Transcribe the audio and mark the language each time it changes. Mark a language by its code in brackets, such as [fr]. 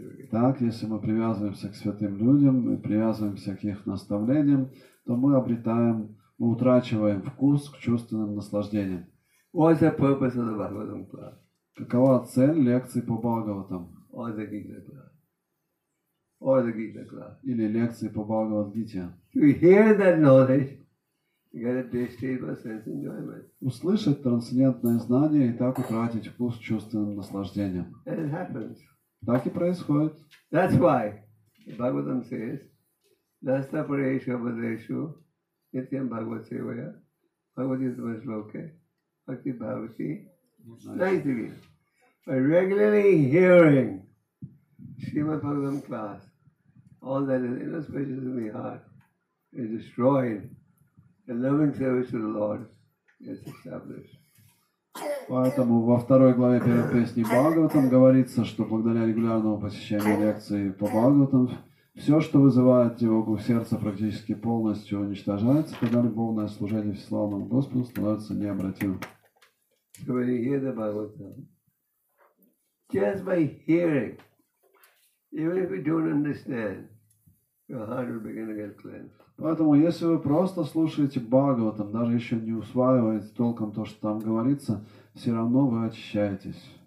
[ru] Так, если мы привязываемся к святым людям, мы привязываемся к их наставлениям, то мы обретаем, мы утрачиваем вкус к чувственным наслаждениям. [en] What's the purpose of the Bhagavatam class? [ru] Какова цель лекции по Бхагаватам? [en] Or the Gita class? Or the Gita class? [ru] Или лекции по Бхагавад-гите? [en] To hear that knowledge, you get a distaste for sense enjoyment. [ru] Услышать трансцендентное знание и так утратить вкус чувственным наслаждением. [en] And it happens. [ru] Так и происходит. [en] That's why the Bhagavatam says, [sa] Nasta Pareshu Abhadeshu Nityam Bhagavat Sevaya Bhagavati Svashloke Bhakti Bhavati Naitivi. [en] By regularly hearing Srimad Bhagavatam class, all that is inauspicious in the heart is destroyed. A loving service to the Lord is established. [ru] Поэтому во второй главе первой песни Бхагаватам говорится, что благодаря регулярному посещению лекции по Бхагаватам, все, что вызывает тревогу в сердце, практически полностью уничтожается, когда любовное служение Всеславному Господу становится необратимым. [en] So when you hear the Bhagavatam, just by hearing, even if you don't understand, your heart will begin to get cleansed. [ru] Поэтому, если вы просто слушаете Бхагаватам, даже еще не усваиваете толком то, что там говорится, все равно вы очищаетесь.